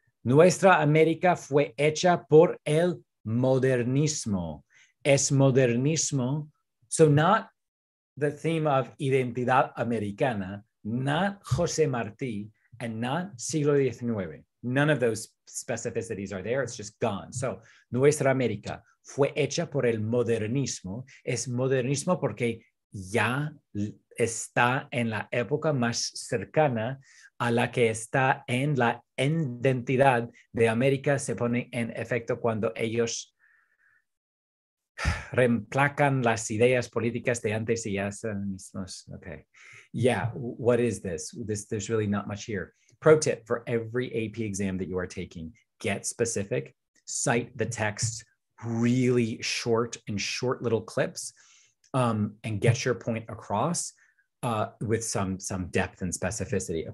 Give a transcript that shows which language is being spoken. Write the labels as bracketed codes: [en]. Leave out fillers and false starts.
[es] Nuestra América fue hecha por el modernismo. Es modernismo. [en] So not the theme of identidad americana, not José Martí, and not siglo XIX. None of those specificities are there. It's just gone. [es] So nuestra América fue hecha por el modernismo. Es modernismo porque ya está en la época más cercana a la que está en la identidad de América. Se pone en efecto cuando ellos reemplacan las ideas políticas de antes y ya son. [en] Okay. Yeah, what is this? There's really not much here. Pro tip for every AP exam that you are taking, get specific, cite the text really short and short little clips, and get your point across with some depth and specificity.